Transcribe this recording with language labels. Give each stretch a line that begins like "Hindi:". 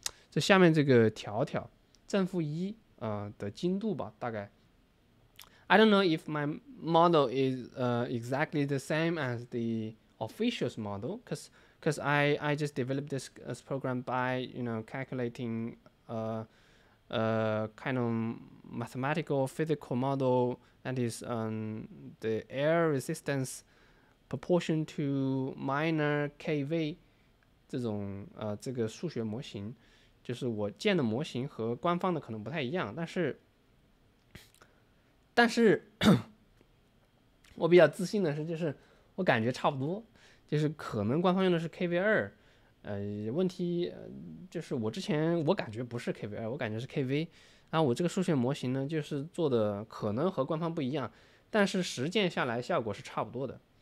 Chinese: 这下面这个条条正负一的精度吧，大概。
English: I don't know if my model is exactly the same as the official's model, cause I just developed this program by you know calculating kind of mathematical physical model that is the air resistance proportion to minor kV.
Chinese: 这种这个数学模型，就是我建的模型和官方的可能不太一样，但是我比较自信的是，就是我感觉差不多，就是可能官方用的是 KV2， 问题就是我之前我感觉不是 KV2， 我感觉是 KV， 然后我这个数学模型呢，就是做的可能和官方不一样，但是实践下来效果是差不多的。